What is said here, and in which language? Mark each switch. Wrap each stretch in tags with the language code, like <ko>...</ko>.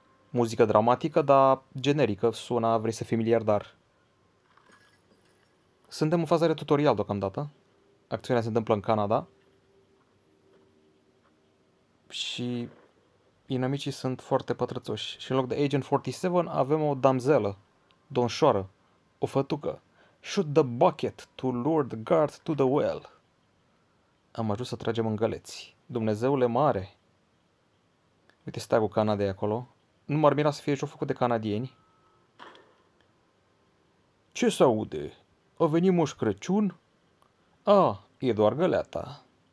<ro>Muzică dramatică, dar generică. Suna, vrei să fii miliardar. Suntem în faza de tutorial deocamdată. Acțiunea se întâmplă în Canada. Și inamicii sunt foarte pătrățoși. Și în loc de Agent 47 avem o damzelă. Donșoară. O fătucă.</ro> <en>Shoot the bucket to lure the guard to the well.</en> <ro>Am ajuns să tragem în găleți. Dumnezeule mare! Uite steagul Canadei acolo. Nu m-ar mira să fie joc făcut de canadieni. Ce se aude? A venit Moș Crăciun? E doar găleata.</ro>